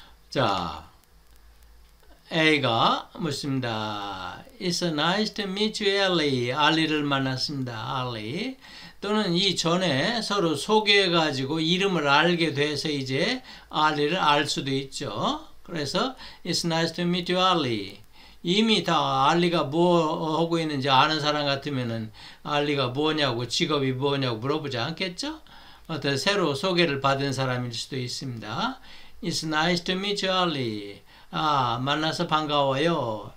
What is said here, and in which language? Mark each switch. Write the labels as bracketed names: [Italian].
[Korean] 자, A가 묻습니다. [English] It's nice to meet you, Ali. [Korean] 알리를 만났습니다. [English] 알리. [Korean] 또는 이 전에 서로 소개해가지고 이름을 알게 돼서 이제 알리를 알 수도 있죠. [English] 그래서 It's nice to meet you, Ali. [Korean] 이미 다 알리가 뭐 하고 있는지 아는 사람 같으면은 알리가 뭐냐고 직업이 뭐냐고 물어보지 않겠죠? 어떤 새로 소개를 받은 사람일 수도 있습니다. [English] It's nice to meet you, Ali. [Korean] 아, 만나서 반가워요.